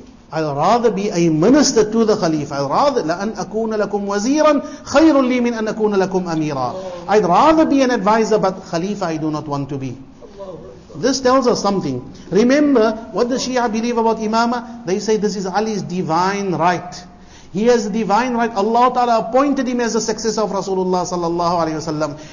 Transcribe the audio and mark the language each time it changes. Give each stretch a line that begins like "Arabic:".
English: I'll rather be a minister to the Khalifa. I'd rather
Arabic: لَأَنْ أَكُونَ لَكُمْ وَزِيرًا خَيْرٌ لِي مِنْ أَنْ أَكُونَ لَكُمْ أَمِيرًا.
English: I'd rather be an advisor, but Khalifa I do not want to be. This tells us something. Remember, what the Shia believe about Imama? They say this is Ali's divine right. He has a divine right. Allah Ta'ala appointed him as the successor of Rasulullah sallallahu alayhi wa sallam.